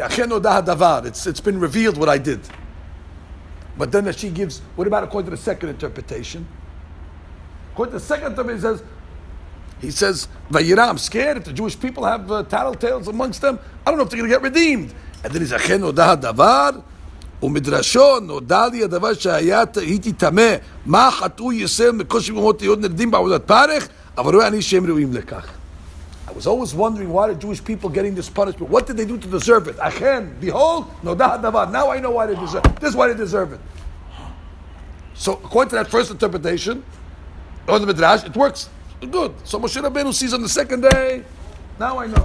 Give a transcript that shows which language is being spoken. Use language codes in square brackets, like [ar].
[he] Achen noda hadavar. [en] It's been revealed what I did. But then she gives, what about according to the second interpretation? According to the second interpretation, he says, Vayira, I'm scared if the Jewish people have tattletales amongst them. I don't know if they're going to get redeemed. And then he says, [he] Achen noda hadavar. ומדרשון נודלי הדבר שהיה הייתי תמה מה חטאו ישראל מקושי מומות להיות נרדים בעבודת פרך אבל רואה אני שהם ראויים לכך. [en] I was always wondering why the Jewish people getting this punishment. What did they do to deserve it? Achen, behold, [he] nodah davar. [en] Now I know why they deserve it. This is why they deserve it. So according to that first interpretation, on the Midrash, it works. Good. So Moshe Rabbeinu sees on the second day, now I know.